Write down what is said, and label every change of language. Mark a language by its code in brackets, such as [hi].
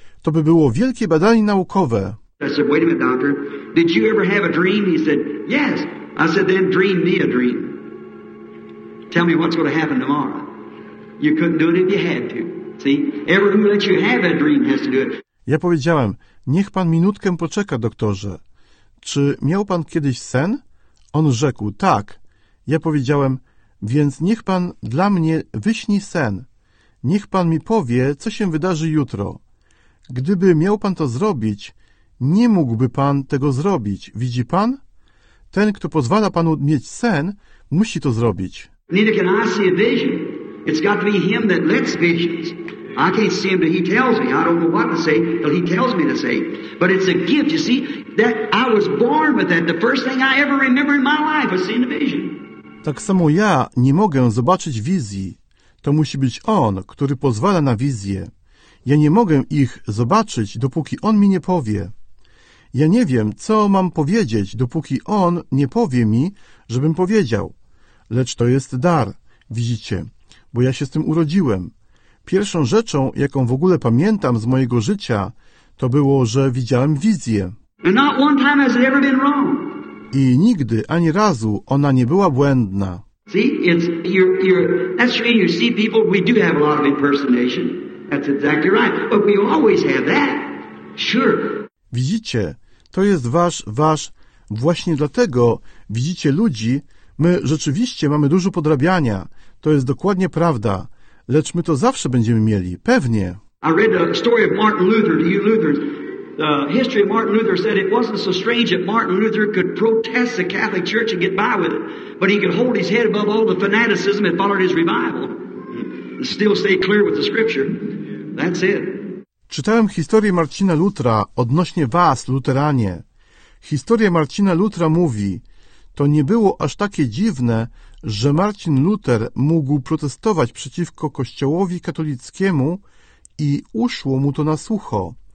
[pl] To by było wielkie badanie naukowe. [en] I said, wait a minute, doctor. Did you ever have a dream? He said, yes. I said, then dream me a dream. Tell me what's going to happen tomorrow. You couldn't do it if you had to. See? Everyone who lets you have a dream has to do it. [pl] Ja powiedziałem, niech pan minutkę poczeka, doktorze. Czy miał pan kiedyś sen? On rzekł, tak. Ja powiedziałem, więc niech pan dla mnie wyśni sen. Niech pan mi powie, co się wydarzy jutro. Gdyby miał pan to zrobić... Nie mógłby pan tego zrobić, widzi pan? Ten, kto pozwala panu mieć sen, musi to zrobić. [en] Neither can I see a vision. It's got to be him that lets visions. I can't see him, but he tells me. I don't know what to say, but he tells me to say. But it's a gift, you see, that I was born with that. The first thing I ever remember in my life was seeing a vision. [pl] Tak samo ja nie mogę zobaczyć wizji. To musi być on, który pozwala na wizję. Ja nie mogę ich zobaczyć, dopóki on mi nie powie. Ja nie wiem, co mam powiedzieć, dopóki on nie powie mi, żebym powiedział. Lecz to jest dar, widzicie, bo ja się z tym urodziłem. Pierwszą rzeczą, jaką w ogóle pamiętam z mojego życia, to było, że widziałem wizję. [en] And not one time has it ever been wrong. [pl] I nigdy, ani razu, ona nie była błędna. [en] See, it's your that's true. You see, people, we do have a lot of impersonation. That's exactly right. But we always have that. Sure. [pl] Widzicie, to jest wasz. Właśnie dlatego, widzicie ludzi, my rzeczywiście mamy dużo podrabiania. To jest dokładnie prawda. Lecz my to zawsze będziemy mieli, pewnie. [en] I read the story of Martin Luther to you Lutherans. The history of Martin Luther said it wasn't so strange that Martin Luther could protest the Catholic Church and get by with it, but he could hold his head above all the fanaticism that followed his revival and still stay clear with the scripture. That's it. [pl] Czytałem historię Marcina Lutra odnośnie was, luteranie. Historia Marcina Lutra mówi, to nie było aż takie dziwne, że Marcin Luther mógł protestować przeciwko Kościołowi katolickiemu i uszło mu to na sucho.